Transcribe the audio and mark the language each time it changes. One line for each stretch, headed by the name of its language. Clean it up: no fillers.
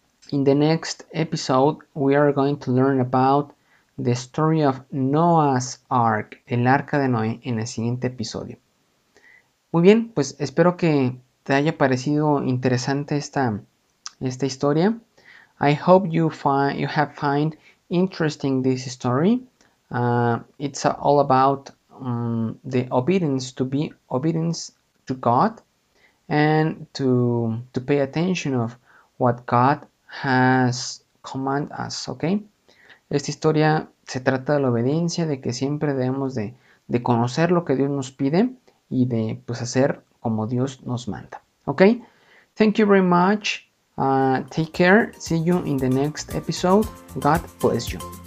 English: In the next episode, we are going to learn about the story of Noah's Ark,
Spanish: el arca de Noé, en el siguiente episodio. Muy bien, pues espero que te haya parecido interesante esta historia.
English: I hope you have found interesting this story. It's all about the obedience, to be obedience to God and to pay attention of what God has command us, okay?
Spanish: Esta historia se trata de la obediencia, de que siempre debemos de conocer lo que Dios nos pide y de pues hacer como Dios nos manda. Okay?
English: Thank you very much. Take care. See you in the next episode. God bless you.